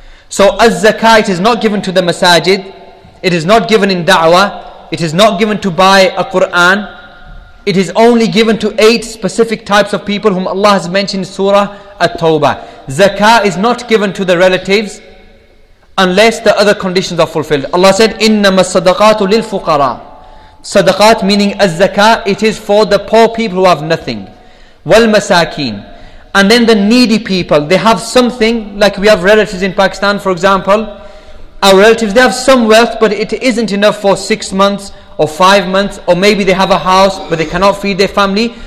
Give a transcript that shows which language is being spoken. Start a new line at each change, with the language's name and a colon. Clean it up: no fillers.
English: So as zakah, it is not given to the masajid, it is not given in da'wah, it is not given to buy a Qur'an, it is only given to 8 specific types of people whom Allah has mentioned in Surah At-Tawbah. Zakah is not given to the relatives unless the other conditions are fulfilled. Allah said,
Arabic: إِنَّمَا الصَّدَقَاتُ لِلْفُقَرَىٰ.
English: Sadaqat meaning az-zakah, it is for the poor people who have nothing. Wal-masakeen. And then the needy people, they have something, like we have relatives in Pakistan, for example. Our relatives, they have some wealth, but it isn't enough for 6 months or 5 months, or maybe they have a house, but they cannot feed their family.